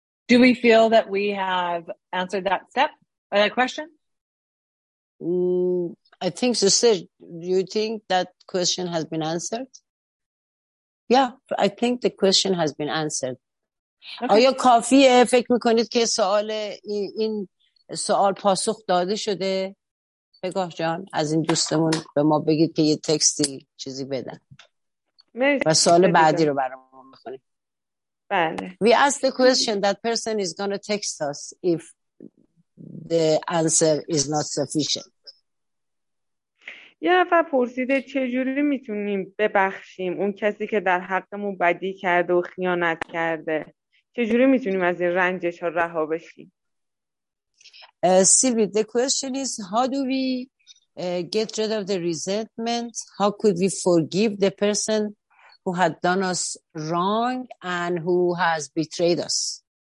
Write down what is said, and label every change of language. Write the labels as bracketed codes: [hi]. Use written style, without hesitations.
[en] Do we feel that we have answered that step or that question? I think so. Serge, do you think that question has been answered? Yeah, I think the question has been answered. Okay. [fa] آیا کافیه فکر میکنید که سوال این سوال پاسخ داده شده؟ بگاه جان از این دوستمون به ما بگید که یه تکستی چیزی بدن و سوال بعدی رو برامون بخونیم. بله. [en] We ask the question, that person is going to text us if the answer is not sufficient. [fa] یه نفر پرسیده چجوری میتونیم ببخشیم اون کسی که در حقمون بدی کرده و خیانت کرده، چجوری میتونیم از این رنجش ها رها بشیم؟ [en] Sylvie, the question is, how do we get rid of the resentment? How could we forgive the person who had done us wrong and who has betrayed us?